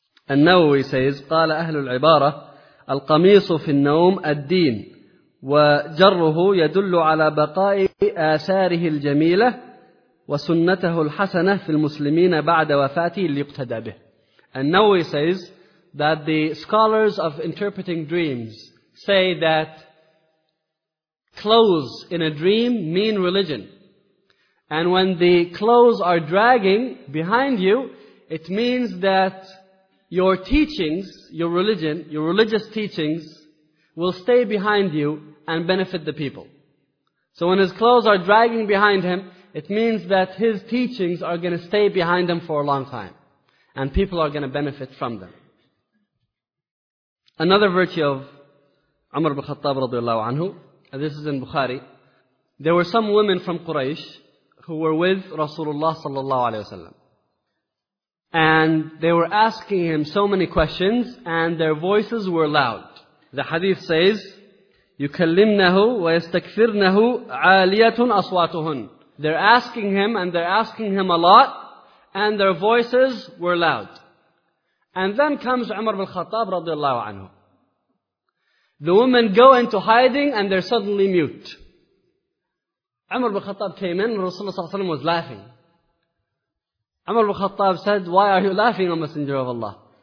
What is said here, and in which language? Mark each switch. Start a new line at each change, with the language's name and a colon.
Arabic: النووي
English: says,
Arabic: قال أهل العبارة القميص في النوم الدين وجره يدل على بقاء آثاره الجميلة وسنته الحسنة في المسلمين بعد وفاته ليقتدى به.
English: النووي says that the scholars of interpreting dreams say that clothes in a dream mean religion. And when the clothes are dragging behind you, it means that your teachings, your religion, your religious teachings will stay behind you and benefit the people. So when his clothes are dragging behind him, it means that his teachings are going to stay behind him for a long time. And people are going to benefit from them. Another virtue of Umar ibn Khattab radiallahu anhu, and this is in Bukhari. There were some women from Quraysh who were with Rasulullah sallallahu alayhi wasallam. And they were asking him so many questions and their voices were loud. The hadith says,
Arabic: يُكَلِّمْنَهُ وَيَسْتَكْفِرْنَهُ عَالِيَةٌ أَصْوَاتُهُنْ.
English: They're asking him and they're asking him a lot and their voices were loud. And then comes Umar ibn Khattab radiallahu anhu. The women go into hiding and they're suddenly mute. Umar ibn Khattab came in and Rasulullah sallallahu alayhi wa sallam was laughing. Umar ibn Khattab said, why are you laughing, O Messenger of Allah?